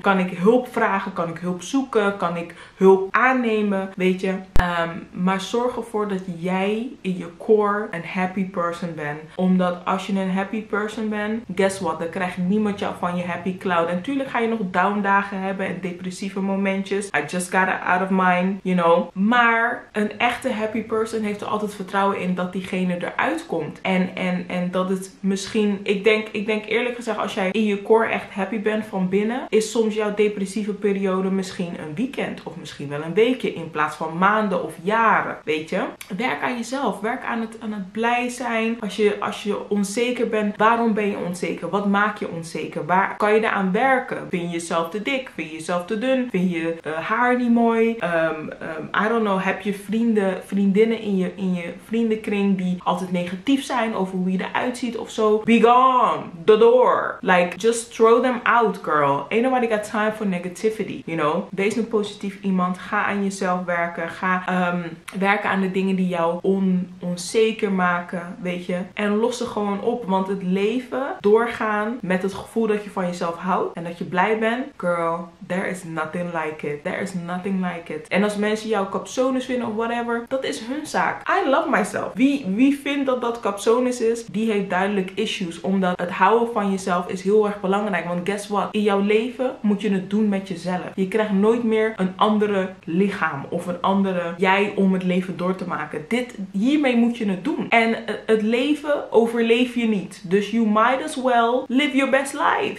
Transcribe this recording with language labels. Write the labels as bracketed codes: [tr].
[nl] Kan ik hulp vragen? Kan ik hulp zoeken? Kan ik hulp aannemen? Weet je? Maar zorg ervoor dat jij in je core een happy person bent. Omdat als je een happy person bent, [en] guess what? [nl] Dan krijgt niemand jou van je happy cloud. En tuurlijk ga je nog down dagen hebben en depressieve momentjes. [en] I just got it out of mine, you know. [nl] Maar een echte happy person heeft er altijd vertrouwen in dat diegene eruit komt. En dat het misschien, ik denk eerlijk gezegd, als jij in je core echt happy bent van binnen, is soms jouw depressieve periode misschien een weekend of misschien wel een weekje in plaats van maanden of jaren, weet je? Werk aan jezelf, werk aan het blij zijn. Als je onzeker bent, waarom ben je onzeker? Wat maak je onzeker? Waar kan je eraan werken? Vind je jezelf te dik? Vind je jezelf te dun? Vind je haar niet mooi? [en] I don't know, [nl] heb je vrienden, vriendinnen in je vriendenkring die altijd negatief zijn over hoe je eruit ziet of zo? [en] Be gone, the door. Like, just throw them out, girl. Ain't nobody got time for negativity, you know? [nl] Wees een positief iemand. Ga aan jezelf werken. Ga werken aan de dingen die jou onzeker maken, weet je? En los ze gewoon op. Want het leven, doorgaan met het gevoel dat je van jezelf houdt en dat je blij bent. [en] Girl, there is nothing like it. There is nothing like it. [nl] En als mensen jou kapsones vinden of whatever, dat is hun zaak. [en] I love myself. [nl] Wie vindt dat kapsones is, die heeft duidelijk issues. Omdat het houden van jezelf is heel erg belangrijk. Want [en] guess what? [nl] In jouw leven moet je het doen met jezelf. Je krijgt nooit meer een andere lichaam of een andere jij om het leven door te maken. Hiermee moet je het doen. En het leven overleef je niet. Dus [en] you might as well live your best life.